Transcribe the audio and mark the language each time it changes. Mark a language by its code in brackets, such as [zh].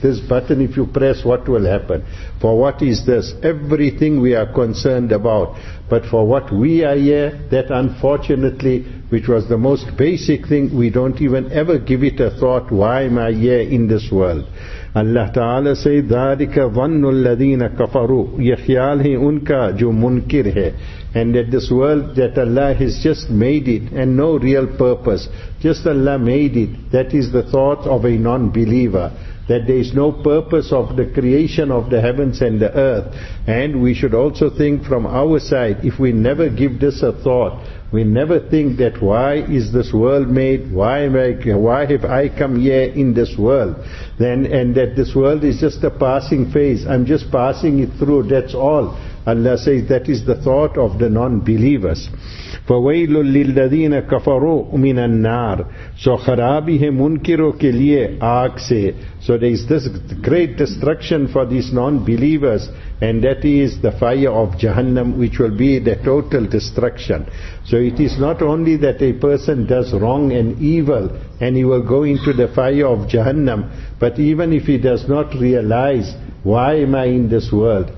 [en] This button, if you press, what will happen? For what is this? Everything we are concerned about. But for what we are here, that unfortunately, which was the most basic thing, we don't even ever give it a thought, why am I here in this world? Allah Ta'ala says, [ar] ذَٰلِكَ ظَنُّ الَّذِينَ كَفَرُوا. [ur] یہ خیال ہے ان کا جو منکر ہے. [en] And that this world, that Allah has just made it, and no real purpose. Just Allah made it. That is the thought of a non-believer. That there is no purpose of the creation of the heavens and the earth. And we should also think from our side, if we never give this a thought, we never think that why is this world made, why have I come here in this world, then, and that this world is just a passing phase, I'm just passing it through, that's all. Allah says that is the thought of the non-believers. [ar] فَوَيْلُ لِلَّذِينَ كَفَرُوا مِنَ النَّارِ. [ur] So خرابی ہے منکروں کے لیے آگ سے. [en] So there is this great destruction for these non-believers, and that is the fire of Jahannam, which will be the total destruction. So it is not only that a person does wrong and evil and he will go into the fire of Jahannam, but even if he does not realize, why am I in this world?